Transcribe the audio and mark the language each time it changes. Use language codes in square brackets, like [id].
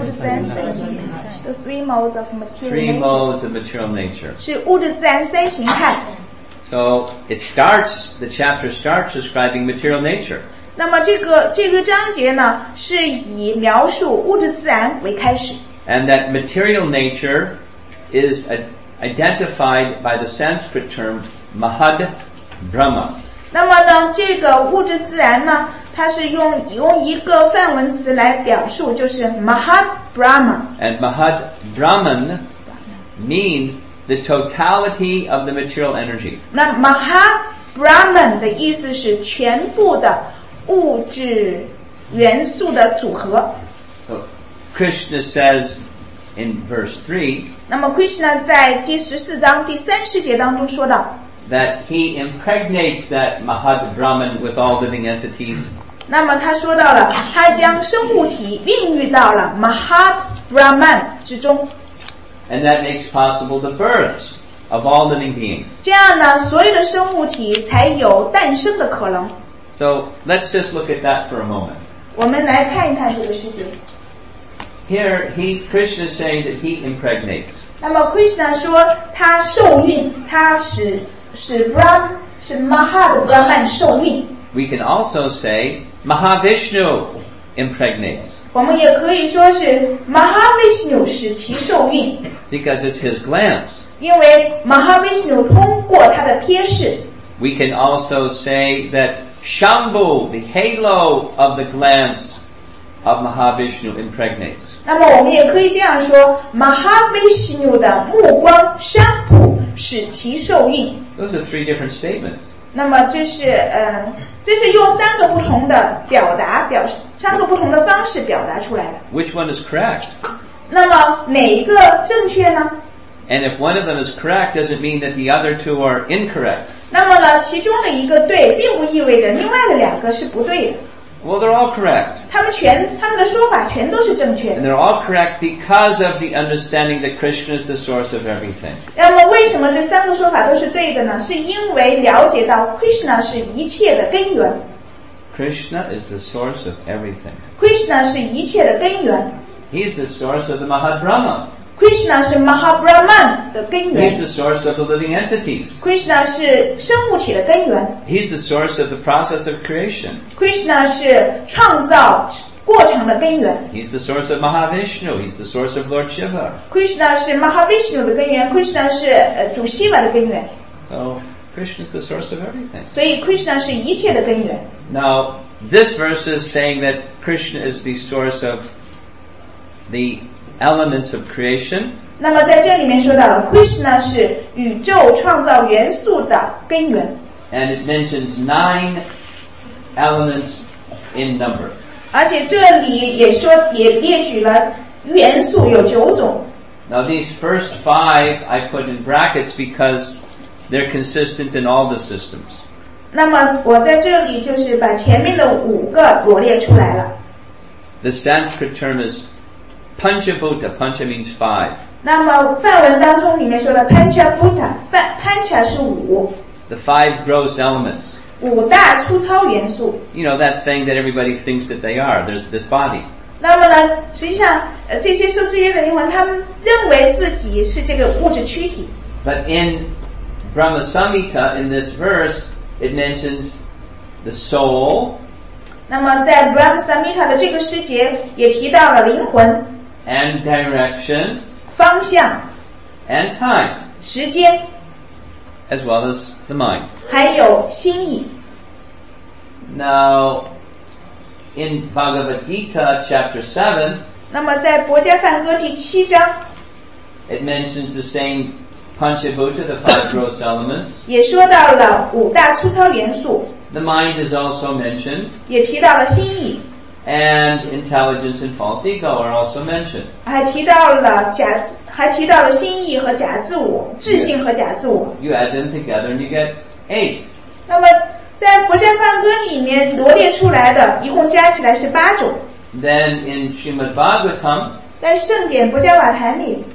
[zh] 三形态。 [en] The three modes of material nature. Three modes of material nature. [zh] 是物质自然三形态。 [en] So it starts, the chapter starts describing material nature. [zh] 那么这个章节呢，是以描述物质自然为开始。 [en] And that material nature is identified by the Sanskrit term Mahad Brahma. [zh] 那么呢，这个物质自然呢，它是用一个梵文词来表述，就是 Mahad Brahma. [en] And Mahad Brahman means. The totality of the material energy. [zh] 那 Mahabrahman 的意思是全部的物质元素的组合。 [en] So, Krishna says in verse 3. [zh] 那么 Krishna 在第十四章第三十节当中说到。 [en] That he impregnates that Mahabrahman with all living entities. [zh] 那么他说到了，他将生物体孕育到了 Mahabrahman 之中。 [en] And that makes possible the births of all living beings. [zh] 这样呢，所有的生物体才有诞生的可能。 [en] So let's just look at that for a moment. [zh] 我们来看一看这个事情。 [en] Here, he, Krishna is saying that he impregnates. [zh] 那么 Krishna 说他受孕，他使 Brahm, 使 Mahabrahman 受孕。 [en] We can also say Mahavishnu impregnates. [zh] 我们也可以说是 Mahavishnu 使其受孕。 [en] Because it's his glance. [zh] 因为 Mahavishnu 通过他的瞥视。 [en] We can also say that Shambhu, the halo of the glance of Mahavishnu impregnates. [zh] 那么我们也可以这样说 ,Mahavishnu 的目光 ,Shambhu, 使其受孕。 [en] Those are three different statements. [zh] 那么这是用三个不同的表达表三个不同的方式表达出来的。 [en] Which one is correct? [zh] 那么哪一个正确呢？ [en] And if one of them is correct, does it mean that the other two are incorrect? [zh] 那么呢，其中的一个对，并不意味着另外的两个是不对的。 [en] Well, they're all correct. [zh] 他们的说法全都是正确的。 [en] And they're all correct because of the understanding that Krishna is the source of everything. [zh] 那么为什么这三个说法都是对的呢？是因为了解到 Krishna 是一切的根源。 [en] Krishna is the source of everything. [zh] Krishna 是一切的根源。 [en] He's the source of the Mahabrahma. [zh] Krishna 是 Mahabrahman 的根源。 [en] He's the source of the living entities. [zh] Krishna 是生物体的根源。 [en] He's the source of the process of creation. [zh] Krishna 是创造过程的根源。 [en] He's the source of Mahavishnu. He's the source of Lord Shiva. [zh] Krishna 是 Mahavishnu 的根源。Krishna 是主 Shiva 的根源。 [en] So Krishna is the source of everything. [zh] 所以 Krishna 是一切的根源。 [en] Now this verse is saying that Krishna is the source of the. Elements of creation. [zh] 那么在这里面说到了 ，Krishna 是宇宙创造元素的根源。 [en] And it mentions 9 elements in number. [zh] 而且这里也说也列举了元素有九种。 [en] Now these first 5 I put in brackets because they're consistent in all the systems. [zh] 那么我在这里就是把前面的五个罗列出来了。 [en] The Sanskrit term is. Panchabhuta, pancha means 5. [zh] 那么梵文当中里面说的 panchabhuta, pancha 是五。 [en] The 5 gross elements. [zh] 五大粗糙元素。 [en] You know, that thing that everybody thinks that they are, there's this body. [zh] 那么呢实际上这些受制约的灵魂他们认为自己是这个物质躯体。 [en] But in Brahma Samhita, in this verse, it mentions the soul. [zh] 那么在 Brahma Samhita 的这个诗节也提到了灵魂。 [en] And direction, [zh] 方向 [en] and time, [zh] 时间 [en] as well as the mind, [zh] 还有心意 [en] Now, in Bhagavad Gita chapter 7, [zh] 那么在博迦梵歌第七章 [en] it mentions the same Panchabhuta, the 5 gross elements, [zh] 也说到了五大粗糙元素 [en] the mind is also mentioned, [zh] 也提到了心意 [en] And intelligence and false ego are also mentioned. [zh] 还提到了心意和假自我，智性和假自我。 [en] You add them together and you get 8. [zh] 那么在《博迦梵歌》里面罗列出来的，一共加起来是八种。 [en] Then in Srimad Bhagavatam, [zh] 在圣典《博迦瓦坛》里